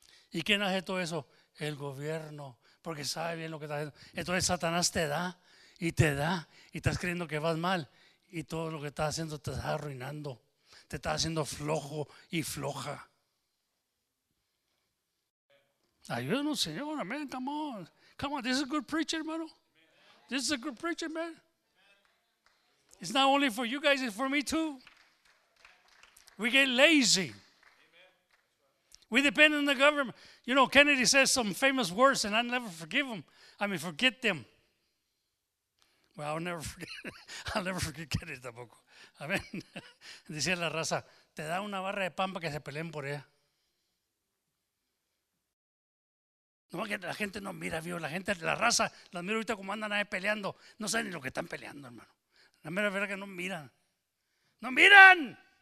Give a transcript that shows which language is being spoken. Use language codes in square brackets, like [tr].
[es] ¿Y quién hace todo eso? El gobierno, porque sabe bien lo que está haciendo. Entonces Satanás te da y te da, y estás creyendo que vas mal, y todo lo que estás haciendo te está arruinando, te está haciendo flojo y floja. Ayúdanos, Señor, amén, [en] come on. Come on, this is a good preacher, hermano. This is a good preacher, man. It's not only for you guys, it's for me too. We get lazy. We depend on the government. You know, Kennedy says some famous words, and I'll never forgive them. I mean, forget them. Well, I'll never forget it. I'll never forget Kennedy tampoco. [es] Amén. Dice la raza, te da una barra de pan para que se peleen por ella. No, que la gente no mira, vio. La gente, la raza, la mira ahorita como andan ahí peleando. No saben ni lo que están peleando, hermano. La mera verdad que no miran. ¡No miran!